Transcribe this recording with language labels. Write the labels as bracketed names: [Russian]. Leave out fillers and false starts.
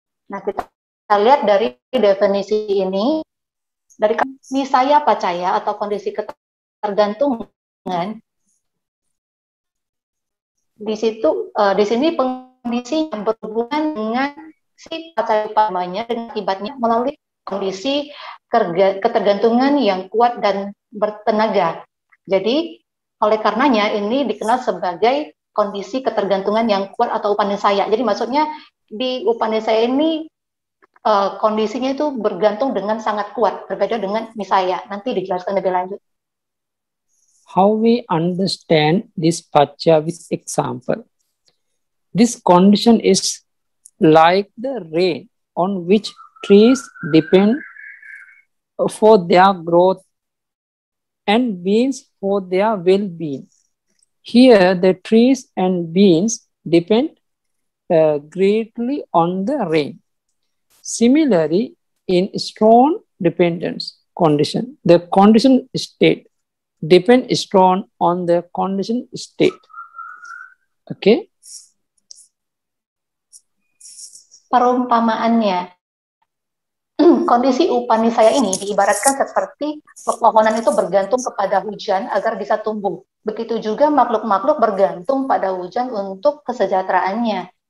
[Indonesian] Nah, kita lihat dari definisi ini, dari Nishaya Paccaya atau kondisi ketergantungan di situ, di sini kondisi yang berhubungan dengan si paccaya utamanya dengan akibatnya melalui kondisi ketergantungan yang kuat dan bertenaga. Jadi, oleh karenanya ini dikenal sebagai kondisi ketergantungan yang kuat atau upanishaya. Jadi, maksudnya di upanishaya ini kondisinya itu bergantung dengan sangat kuat, berbeda dengan nishaya. Nanti dijelaskan lebih lanjut. [English] How we understand this paccaya with example? This condition is like the rain on which trees depend for their growth and beans for their well-being. Here, the trees and beans depend greatly on the rain. Similarly, in strong dependence condition, the condition state depend strong on the condition state. Okay? [Indonesian] Perumpamaannya, kondisi upanishaya ini diibaratkan seperti pepohonan itu bergantung kepada hujan agar bisa tumbuh. Begitu juga makhluk-makhluk bergantung pada hujan untuk kesejahteraannya.